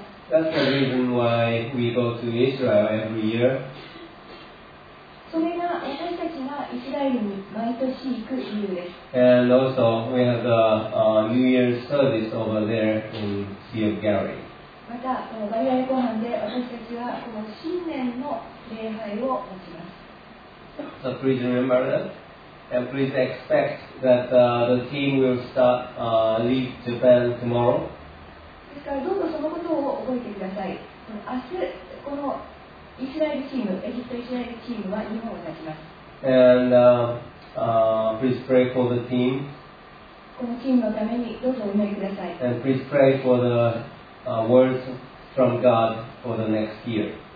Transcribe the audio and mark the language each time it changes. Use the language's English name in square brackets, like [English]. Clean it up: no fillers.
[English] That's the reason why we go to Israel every year. [Japanese] それが私たちがイスラエルに毎年行く理由です。 [English] And also we have the New Year's service over there in Sea of Galilee. [Japanese] またこのガリラヤ湖畔で私たちはこの新年の礼拝を持ちます。 [English] So please remember that, and please expect that the team will start leave Japan tomorrow. [Japanese] ですからどうぞそのことを覚えてください。明日このイスラエルチーム、エジプトイスラエルチームは日本を立ちます。 [English] And please pray for the team. [Japanese] このチームのためにどうぞお祈りください。 [English] And please pray for the words from God for the next year.